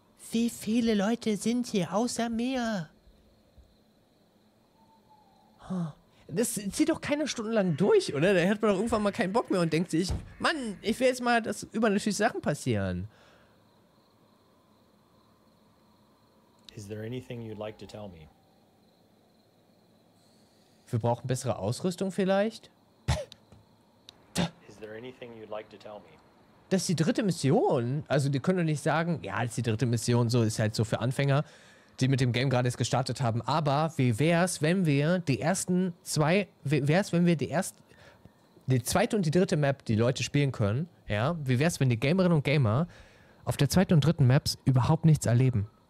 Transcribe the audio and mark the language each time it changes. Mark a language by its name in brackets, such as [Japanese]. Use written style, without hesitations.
[German] Wie viele Leute sind hier außer mir? Das zieht doch keine Stunden lang durch, oder? Da hat man doch irgendwann mal keinen Bock mehr und denkt sich, Mann, ich will jetzt mal, dass übernatürliche Sachen passieren. [English] Is there anything you'd like to tell me? [German] Wir brauchen bessere Ausrüstung vielleicht? [English] Is there anything you'd like to tell me? [German] Das ist die 3. Mission. Also die können doch nicht sagen, ja, das ist die 3. Mission, so ist halt so für Anfänger, die mit dem Game gerade erst gestartet haben. Aber wie wär's, wenn wir die ersten zwei, die zweite und die 3. Map, die Leute spielen können, ja, wie wär's, wenn die Gamerinnen und Gamer auf der 2. und 3. Maps überhaupt nichts erleben?